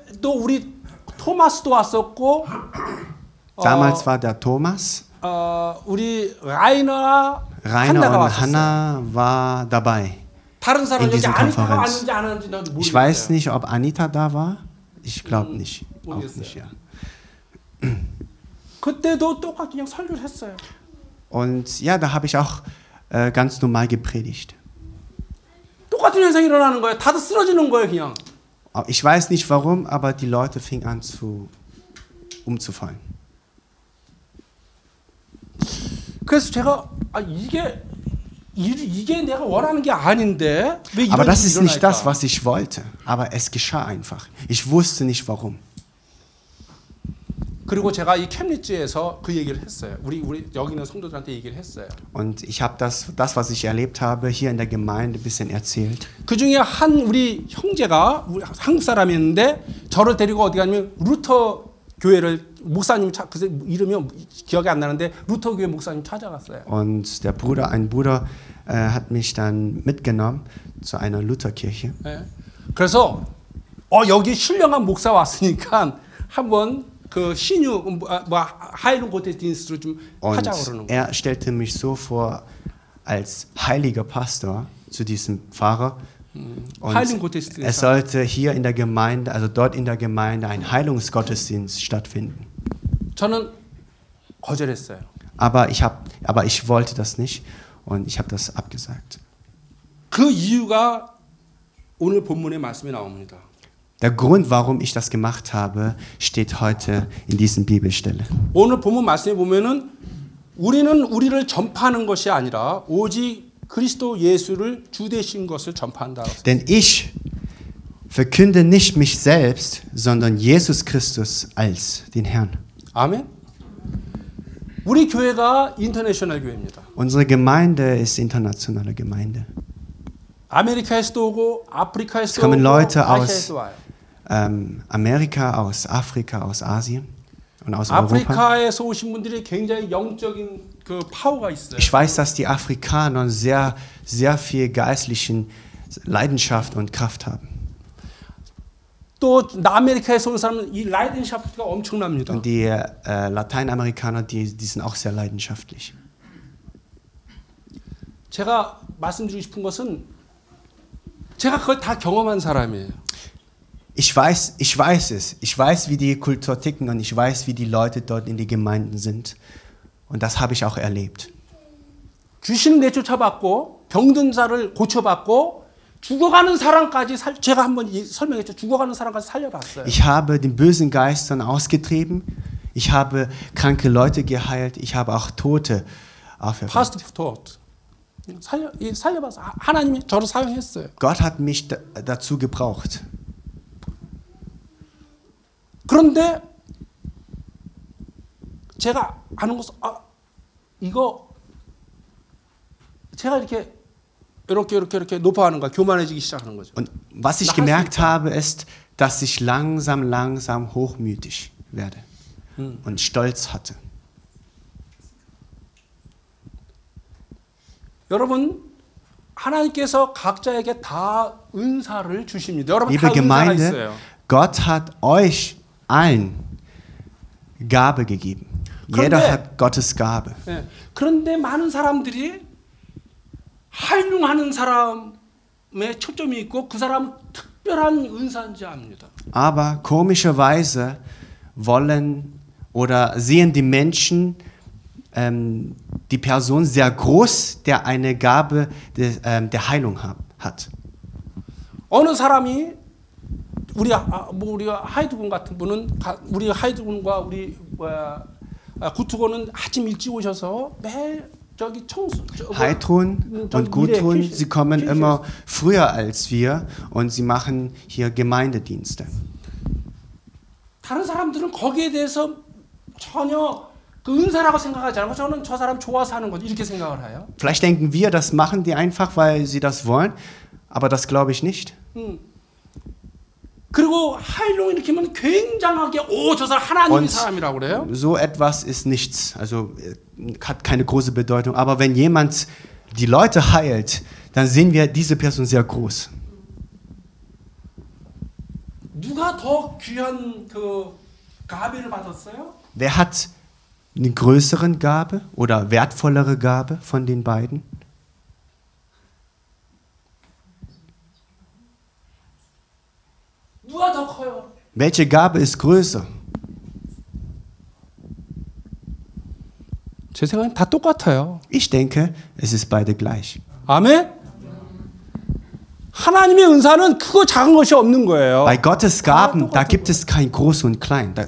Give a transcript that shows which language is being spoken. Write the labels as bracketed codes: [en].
[ko] 그때도 우리 토마스도 왔었고 [de] Damals war der Thomas. [ko] 우리 라이너 [de] Rainer und Hanna war dabei. [ko] 다른 사람 [de] in [ko] 여기 Anita 왔는지 안 왔는지 나도 모르겠어요. [de] Ich weiß nicht, ob Anita da war. Ich glaube nicht. Auch nicht, ja. [ko] 그때도 똑같이 그냥 설교를 했어요. [de] Und ja, da habe ich auch ganz normal gepredigt. [ko] 똑같은 현상이 일어나는 거예요. 다들 쓰러지는 거예요, 그냥. [de] Ich weiß nicht warum, aber die Leute fingen an zu umzufallen. [ko] 그래서 제가 이게 내가 원하는 게 아닌데. [de] Aber das ist nicht das, was ich wollte, aber es geschah einfach. Ich wusste nicht warum. [ko] 그리고 제가 이 캠리지에서 그 얘기를 했어요. 우리 여기 있는 성도들한테 얘기를 했어요. [de] Und ich habe das was ich erlebt habe hier in der Gemeinde bisschen erzählt. [ko] 그 중에 한 우리 형제가 우리 한국 사람이었는데 저를 데리고 어디 가냐면 루터 교회를 목사님 그 이름이 기억이 안 나는데 루터 교회 목사님 찾아갔어요. [de] Und der Bruder ein Bruder hat mich dann mitgenommen zu einer Lutherkirche. [ko] 네. 그래서 여기 신령한 목사 왔으니까 한번 그 신유 뭐 하이룸 고테딘스로 좀 [de] Und [ko] 하자 그러는 거예요. [de] Er stellte mich so vor als heiliger Pastor zu diesem Pfarrer. Heiligen Gottesdienst. Es sollte hier in der Gemeinde, also dort in der Gemeinde ein Heilungsgottesdienst stattfinden. [ko] 저는 거절했어요. [de] Aber ich wollte das nicht und ich habe das abgesagt. [ko] 그 이유가 오늘 본문의 말씀이 나옵니다. [de] Der Grund, warum ich das gemacht habe, steht heute in diesem Bibelstelle. [ko] 오늘 본문 말씀에 보면은 우리는 우리를 전파하는 것이 아니라 오직 그리스도 예수를 주 되신 것을 전파한다. [de] Denn ich verkünde nicht mich selbst, sondern Jesus Christus als den Herrn. [ko] 아멘. 우리 교회가 인터내셔널 교회입니다. [de] Unsere Gemeinde ist internationale Gemeinde. [ko] 아메리카에서도 오고 아프리카에서도 [de] kommen Leute aus Amerika, aus Afrika, aus Asien und aus Afrika에서 Europa. [ko] 오신 분들이 굉장히 영적인 그 파워가 있어요. [de] Ich weiß, dass die Afrikaner sehr sehr viel geistlichen Leidenschaft und Kraft haben. [ko] 또 남아메리카에서 온 사람은 이 Leidenschaft가 엄청납니다. [de] Und die Lateinamerikaner, die sind auch sehr leidenschaftlich. [ko] 제가 말씀드리고 싶은 것은 제가 그걸 다 경험한 사람이에요. [de] Ich weiß es. Ich weiß, wie die Kultur ticken und ich weiß, wie die Leute dort in die Gemeinden sind. Und das habe ich auch erlebt. [ko] 귀신 내쫓아봤고 병든 자를 고쳐봤고 죽어가는 사람까지 제가 한번 설명했죠. 죽어가는 사람까지 살려봤어요. [de] Ich habe den bösen Geistern ausgetrieben. Ich habe kranke Leute geheilt. Ich habe auch Tote auferweckt. Fast tot. [ko] 살려봤어. 하나님이 저를 사용했어요. [de] Gott hat mich dazu gebraucht. [ko] 그런데 제가 아는 것은 아 이거 제가 이렇게 이렇게 높아가는 거야. 교만해지기 시작하는 거죠. [de] Und was ich gemerkt habe ist, dass ich langsam hochmütig werde und stolz hatte. [ko] 여러분 하나님께서 각자에게 다 은사를 주십니다. 여러분 [de] Liebe Gemeinde, Gott hat euch allen Gabe gegeben. [ko] 그런데, [de] Jeder hat Gottes Gabe. [ko] 예, 그런데 많은 사람들이 활용하는 사람에 초점이 있고 그 사람은 특별한 은사인지 압니다. [de] Aber komischerweise wollen oder sehen die Menschen die Person sehr groß, der eine Gabe der Heilung hat. [ko] 어느 사람이 우리 뭐 우리 하이드군 같은 분은 우리 하이드군과 우리 구투군은 아침 일찍 오셔서 매일 저기 청소. [de] 하이드군 und Guthun, sie kommen immer früher als wir und sie machen hier Gemeindedienste. [ko] 다른 사람들은 거기에 대해서 전혀 그 은사라고 생각하지 않고 저는 저 사람 좋아서 하는 거지 이렇게 생각을 해요. [de] Vielleicht denken wir, das machen die einfach, weil sie das wollen, aber das glaube ich nicht. [ko] 그리고 하일롱 이렇게 하면 굉장하게 오, 저 사람 하나님의 [de] Und [ko] 사람이라고 그래요. [de] So etwas ist nichts, also hat keine große Bedeutung. Aber wenn jemand die Leute heilt, dann sehen wir diese Person sehr groß. [ko] 누가 더 귀한 그 가비를 받았어요? [de] Wer hat eine größere Gabe oder wertvollere Gabe von den beiden? [ko] 누가 더 커요? [de] Welche Gabe ist größer? [ko] 제 생각엔 다 똑같아요. [de] Ich denke, es ist beide gleich. [ko] 아멘? 하나님의 은사는 크고 작은 것이 없는 거예요. [de] Bei Gottes Gaben, da gibt es kein groß und klein.